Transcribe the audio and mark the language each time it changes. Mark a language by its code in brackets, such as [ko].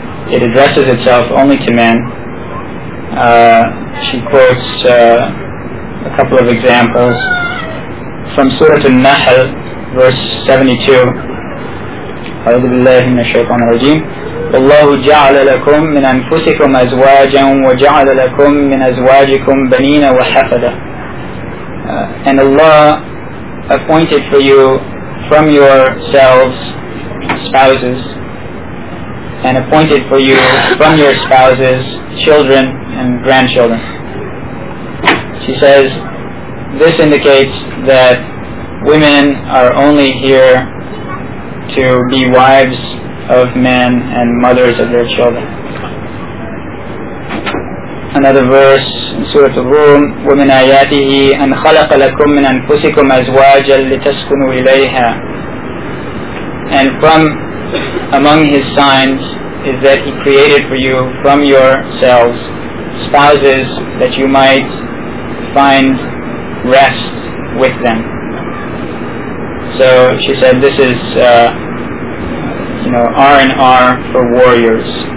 [en] It addresses itself only to men. She quotes a couple of examples from Surah An-Nahl, verse 72. [ar] أعوذ بالله من الشيطان الرجيم. والله جعل لكم من أنفسكم أزواجا وجعل لكم من أزواجكم بنين وحفدة. [en] And Allah appointed for you from yourselves spouses, and appointed for you from your spouses children and grandchildren. She says, this indicates that women are only here to be wives of men and mothers of their children. Another verse in Surah Al-Rum, [ar] وَمِنْ آيَاتِهِ أَنْ خَلَقَ لَكُمْ مِنْ أَنْفُسِكُمْ أَزْوَاجًا لِتَسْكُنُوا إِلَيْهَا. [en] And from among his signs is that he created for you from yourselves spouses that you might find rest with them. So she said this is R&R for warriors.